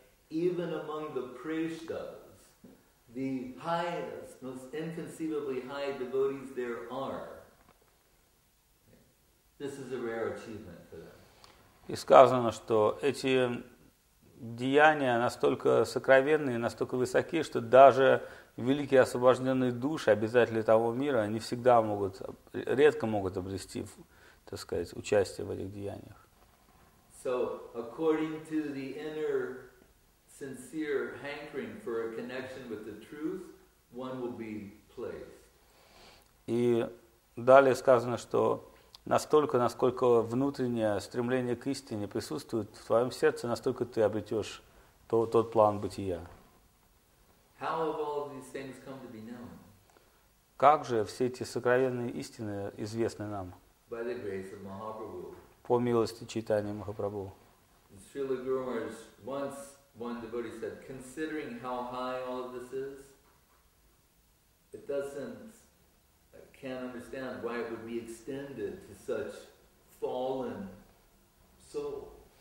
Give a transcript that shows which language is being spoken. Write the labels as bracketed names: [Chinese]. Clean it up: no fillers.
[English] Even among the Preshtas, the highest, most inconceivably high devotees there are. This is a rare achievement for them. [Russian] И сказано, что эти деяния настолько сокровенные, настолько высокие, что даже великие освобожденные души, обитатели того мира, они всегда могут, редко могут обрести, так сказать, участие в этих деяниях. [English] So, according to the inner sincere hankering for a connection with the truth, one will be placed. [Russian] И далее сказано, что настолько, насколько внутреннее стремление к истине присутствует в твоем сердце, настолько ты обретешь тот план бытия. [English] How have all these things come to be known? [Russian] Как же все эти сокровенные истины известны нам? [English] By the grace of Mahaprabhu. [Russian] По милости Чайтаньи Махапрабху. [English] Srila Guru Maharaj once one devotee said, considering how high all of this is, it doesn't, I can't understand why it would be extended to such fallen soul.